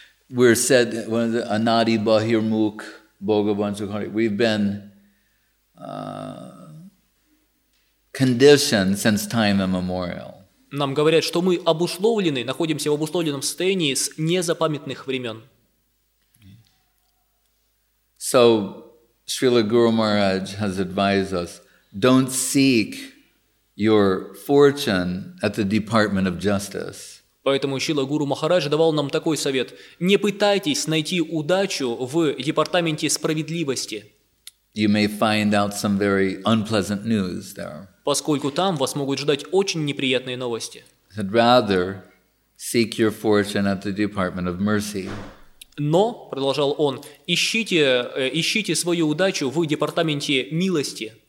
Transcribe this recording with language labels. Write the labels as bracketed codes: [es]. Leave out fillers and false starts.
[en] We're said [bn] anadi bahir muk bhogavanchukhari. [en] We've been conditioned since time immemorial. [ru] Нам говорят, что мы обусловлены, находимся в обусловленном состоянии с незапамятных времен. [en] So Srila Guru Maharaj has advised us, don't seek your fortune at the Department of Justice. [ru] Поэтому Шрила Гуру Махарадж давал нам такой совет: не пытайтесь найти удачу в Департаменте справедливости. [en] You may find out some very unpleasant news there. [ru] Поскольку там вас могут ждать очень неприятные новости. [en] I'd rather seek your fortune at the Department of Mercy. [ru] Но, продолжал он, ищите свою удачу в департаменте милости.